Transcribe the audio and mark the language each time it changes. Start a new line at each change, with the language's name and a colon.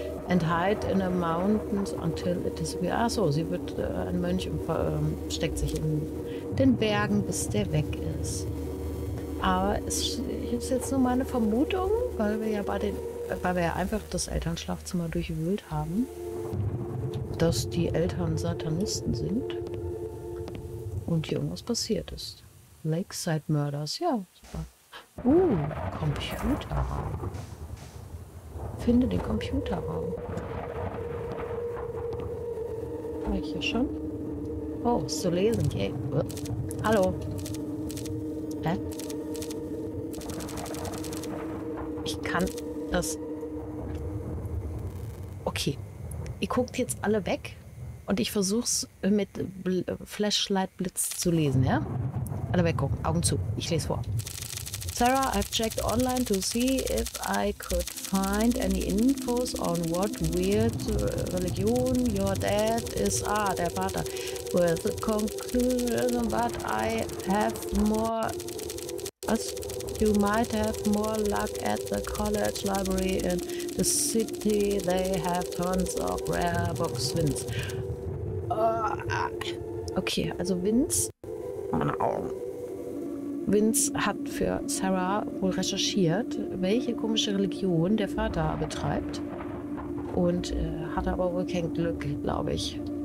English: And hide in the mountains until it is...
German: Ach so, sie wird ein Mönch und steckt sich in den Bergen, bis der weg ist. Aber es ist jetzt nur meine Vermutung, weil wir ja einfach das Elternschlafzimmer durchwühlt haben, dass die Eltern Satanisten sind und hier irgendwas passiert ist. Lakeside Murders, ja, super. Computerraum. Finde den Computerraum. War ich hier schon? Oh, ist zu lesen. Yay. Hallo. Hä? Ich kann das... Okay, ihr guckt jetzt alle weg und ich versuch's mit Flashlight-Blitz zu lesen, ja? Alle weggucken, Augen zu, ich lese vor.
English: Sarah, I've checked online to see if I could find any infos on what weird religion your dad is.
German: Ah, der Vater.
English: With the conclusion that I have more...
German: Was?
English: You might have more luck at the college library in the city. They have tons of rare books. Vince.
German: Okay, also Vince hat für Sarah wohl recherchiert, welche komische Religion der Vater betreibt. Und hat aber wohl kein Glück, glaube ich.